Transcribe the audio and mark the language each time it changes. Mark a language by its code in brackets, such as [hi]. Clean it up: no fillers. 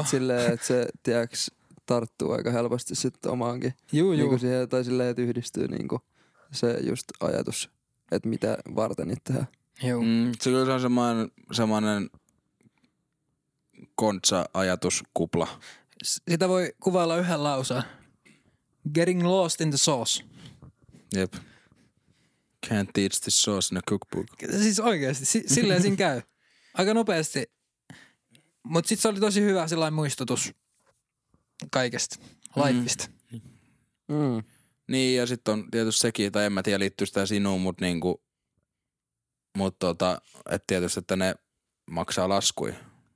[fi] Niin sit silleen, että se, tiiäks, tarttuu aika helposti sitten omaankin. Juu, juu. Niinku siihen, tai silleen, että yhdistyy niinku. Se just ajatus, että mitä varten niitä tehdään. Joo. Mm, se kyllä on semmoinen kontsa-ajatuskupla. Sitä voi kuvailla yhden lauseen. [en] Getting lost in the sauce. [fi] Jep. [en] Can't teach the sauce in a cookbook. [fi] Siis oikeasti, silleen siinä käy. Aika nopeasti. Mut sit se oli tosi hyvä sellainen muistutus kaikesta lifeista. Mm. Mm. Niin, ja sitten on tietysti sekin, tai en mä tiedä liittyy sitä sinuun, mutta niinku, mut tota, et tietysti, että ne maksaa laskuja.